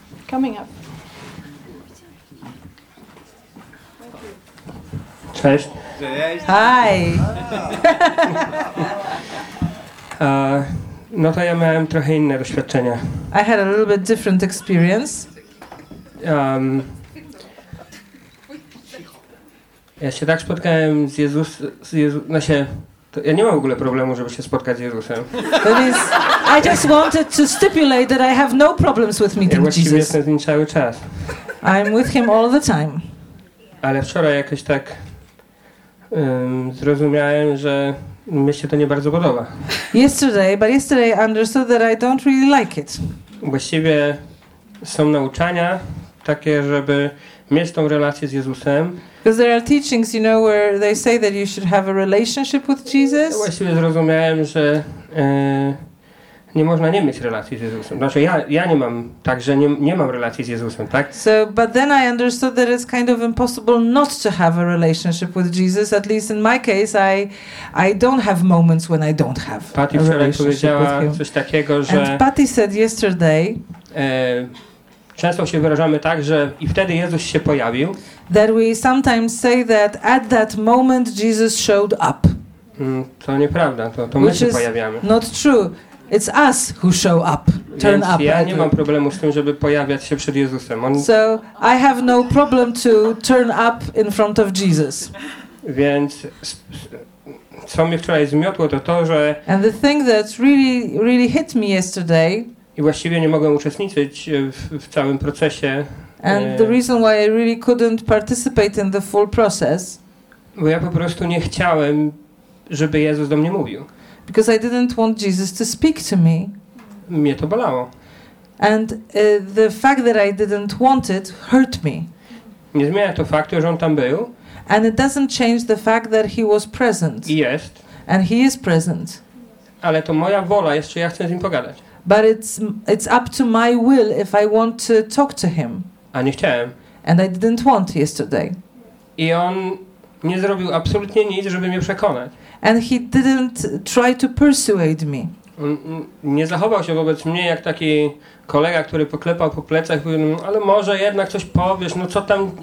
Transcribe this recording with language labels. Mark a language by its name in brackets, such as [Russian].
[English] Coming up. [Polish] Cześć. [English] Hi. [Polish] No to ja miałem trochę inne doświadczenia. [English] I had a little bit different experience. [Polish] Ja się tak spotkałem z Jezusem. No się, ja nie mam w ogóle problemu, żeby się spotkać z Jezusem. [English] I just wanted to stipulate that I have no problems with meeting [Polish] Jezusem. Ja właściwie jestem z nim cały czas. [English] I'm with him all the time. [Polish] Ale wczoraj jakoś tak. zrozumiałem, że mi się to nie bardzo podoba. [English] Yesterday I understood that I don't really like it. [Polish] Właściwie są nauczania takie, żeby mieć tą relację z Jezusem. [English] Because there are teachings, you know, where they say that you should have a relationship with Jesus. [Polish] Właściwie zrozumiałem, że nie można nie mieć relacji z Jezusem. Znaczy ja nie mam, także nie mam relacji z Jezusem, tak? [English] So, but then I understood that it's kind of impossible not to have a relationship with Jesus. At least in my case, I don't have moments when I don't have Patty a relationship with him. [Polish] Patty powiedziała coś takiego, że... [English] And Patty said yesterday... [Polish] Często się wyrażamy tak, że i wtedy Jezus się pojawił. [English] That we sometimes say that at that moment Jesus showed up. [Polish] To nieprawda, to my się pojawiamy. [English] Not true. It's us who show up, turn [Polish] Więc [English] up. [Polish] Ja nie mam problemu z tym, żeby pojawiać się przed Jezusem. [English] So I have no problem to turn up in front of Jesus. [Polish] Więc co mnie wczoraj zmiotło, to, że... [English] And the thing that really, really hit me yesterday... [Polish] I właściwie nie mogłem uczestniczyć w całym procesie. [English] And the reason why I really couldn't participate in the full process... [Polish] Bo ja po prostu nie chciałem, żeby Jezus do mnie mówił. [English] Because I didn't want Jesus to speak to me. [Polish] Mnie to bolało. [English] And the fact that I didn't want it hurt me. [Polish] Nie zmienia to faktu, że on tam był. [English] And it doesn't change the fact that he was present. [Polish] I jest. [English] And he is present. [Polish] Ale to moja wola, jeszcze ja chcę z nim pogadać. [English] But it's up to my will if I want to talk to him. [Polish] A nie chciałem. [English] And I didn't want yesterday. [Polish] I on nie zrobił absolutnie nic, żeby mnie przekonać. [English] And he didn't try to persuade me. [Polish] Nie zachował się wobec mnie jak taki kolega, który poklepał po plecach, powiedział, ale może jednak coś powiesz, no co tam...